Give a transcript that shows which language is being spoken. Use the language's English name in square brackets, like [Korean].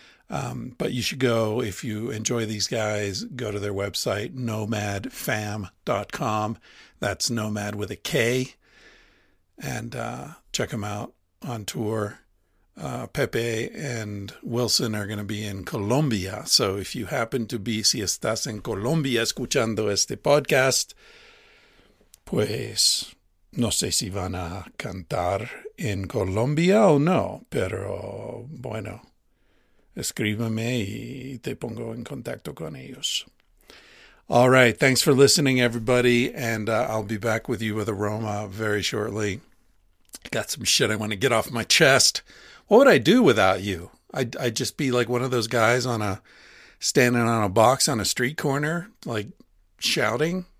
[English] But you should go, if you enjoy these guys, go to their website, nomadfam.com. That's Nomad with a K. And check them out on tour. Pepe and Wilson are going to be in Colombia. So if you happen to be, [Spanish] si estás en Colombia escuchando este podcast, pues no sé si van a cantar en Colombia o no, pero bueno. Escríbeme y te pongo en contacto con ellos. [English] All right. Thanks for listening, everybody. And I'll be back with you with Aroma very shortly. Got some shit I want to get off my chest. What would I do without you? I'd just be like one of those guys standing on a box on a street corner, like shouting.